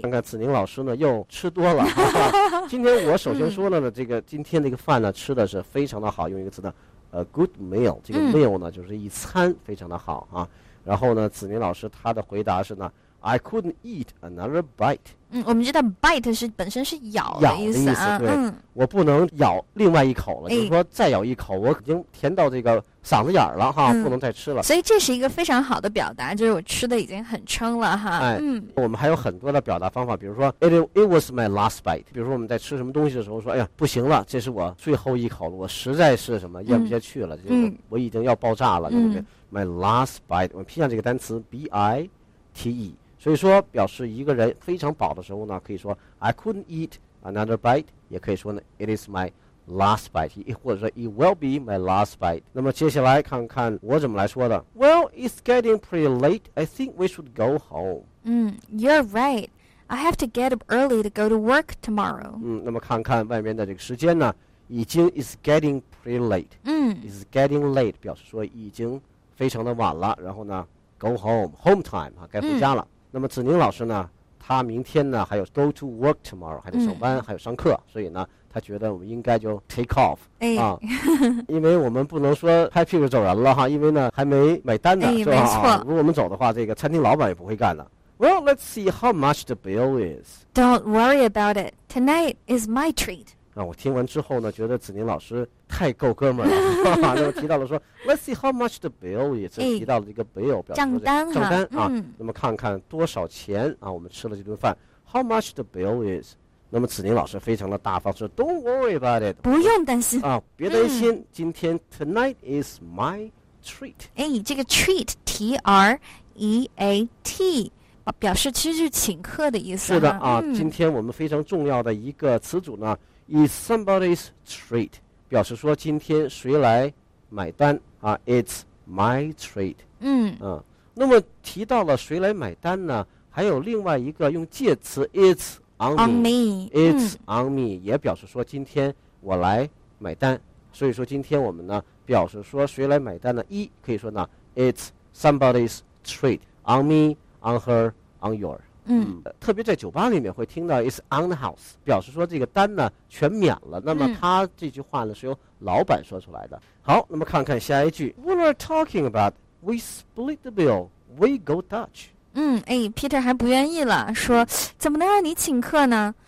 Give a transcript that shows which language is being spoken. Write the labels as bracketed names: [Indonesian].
[Chinese] 看看子宁老师呢又吃多了。今天我首先说了呢，这个今天这个饭呢吃的是非常的好，用一个词呢， [English] good meal. [Chinese] 这个 meal 呢就是一餐非常的好啊。然后呢，子宁老师他的回答是呢。 [English] I couldn't eat another bite。 [Chinese] 我们知道 bite 是本身是咬的意思啊。思对，我不能咬另外一口了，就是说再咬一口，我已经填到这个嗓子眼了哈，不能再吃了。所以这是一个非常好的表达，就是我吃的已经很撑了哈。我们还有很多的表达方法，比如说 [English] it was my last bite。 [Chinese] 比如说我们在吃什么东西的时候说，哎呀，不行了，这是我最后一口了，我实在是什么咽不下去了，就是我已经要爆炸了，对不对 ？ [English] My last bite， [Chinese] 我们拼下这个单词 bite。所以说表示一个人非常饱的时候呢，可以说 [English] I couldn't eat another bite， [Chinese] 也可以说呢 [English] It is my last bite， [Chinese] 或者说 [English] It will be my last bite。 [Chinese] 那么接下来看看我怎么来说的。 [English] Well, it's getting pretty late. I think we should go home. You're right. I have to get up early to go to work tomorrow. [Chinese] 那么看看外面的这个时间呢，已经 [English] It's getting pretty late. It's getting late [Chinese] 表示说已经非常的晚了，然后呢 [English] Go home, home time [Chinese] 啊，该回家了。那么子宁老师呢，他明天呢还有 [English] go to work tomorrow， [Chinese] 还得上班，还有上课，所以呢他觉得我们应该就 [English] take off， [Chinese] 因为我们不能说拍屁股走人了哈，因为呢还没买单呢，是吧？没错，如果我们走的话，这个餐厅老板也不会干的。 [English] Well, let's see how much the bill is. Don't worry about it. Tonight is my treat. [Chinese] 我听完之后呢，觉得子宁老师太够哥们了。那么提到了说 ， [English] Let's see how much the bill is， [Chinese] 提到了这个 bill 表示账单账单啊。那么看看多少钱啊？我们吃了这顿饭 ， [English] How much the bill is？ [Chinese] 那么子宁老师非常的大方，说 [English] Don't worry about it， [Chinese] 不用担心啊，别担心。今天 [English] Tonight is my treat。这个 treat T R E A T。 [Chinese] 表示其实是请客的意思。是的啊，今天我们非常重要的一个词组呢 ， [English] is somebody's treat， [Chinese] 表示说今天谁来买单啊 ？ [English] It's my treat。 [Chinese] 那么提到了谁来买单呢？还有另外一个用介词 ， [English] it's on me。 It's on me [Chinese] 也表示说今天我来买单。所以说今天我们呢，表示说谁来买单呢？一可以说呢 ， [English] it's somebody's treat on me。 On her, on your。 [Chinese] 特别在酒吧里面会听到 [English] is on the house， [Chinese] 表示说这个单呢全免了。那么他这句话呢是由老板说出来的。好，那么看看下一句。 [English] What are talking about? We split the bill. We go Dutch. [Chinese] Peter 还不愿意了，说怎么能让你请客呢？